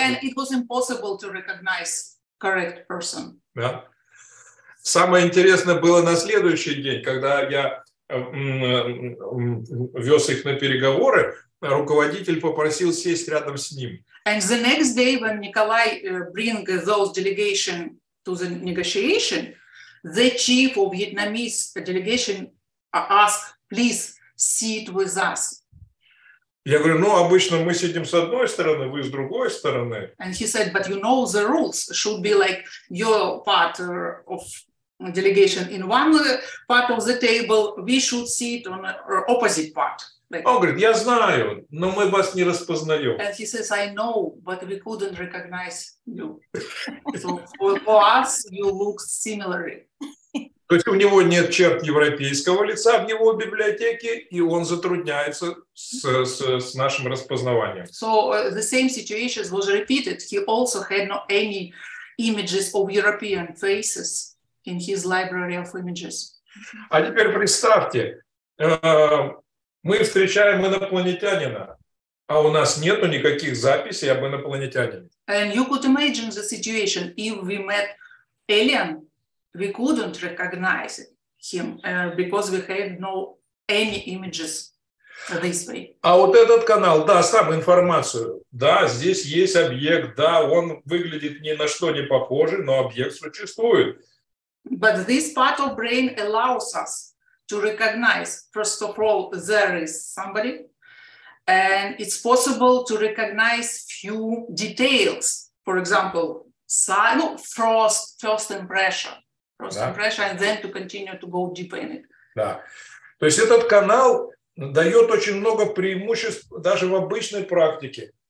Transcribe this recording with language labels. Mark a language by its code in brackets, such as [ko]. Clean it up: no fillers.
[en] And it was impossible to recognize correct person. [ru] Да. Самое интересное было на следующий день, когда я вез их на переговоры, руководитель попросил сесть рядом с ним. [en] And the next day, when Nikolay bring those delegation to the negotiation, the chief of Vietnamese delegation asked, please sit with us. [ru] Я говорю, обычно мы сидим с одной стороны, вы с другой стороны. [en] And he said, but you know the rules should be like your part of delegation in one part of the table, we should sit on the opposite part. Like, [ru] он говорит, я знаю, но мы вас не распознаем. [en] And he says, I know, but we couldn't recognize you. So for us, you look similarly. [ru] То есть у него нет черт европейского лица в его библиотеке, и он затрудняется с нашим распознаванием. [en] So the same situation was repeated. He also had not any images of European faces in his library of images. [ru] А теперь представьте, мы встречаем инопланетянина, а у нас нету никаких записей об инопланетянине. [en] And you could imagine the situation. If we met alien, we couldn't recognize him because we have no any images this way. [ru] А вот этот канал даст нам информацию. Да, здесь есть объект, да, он выглядит ни на что не похожий, но объект существует. [en] But this part of brain allows us to recognize, first of all, there is somebody, and it's possible to recognize few details. For example, first impression, and then to continue to go deep in it. [ru] Да. То есть этот канал дает очень много преимуществ даже в обычной практике.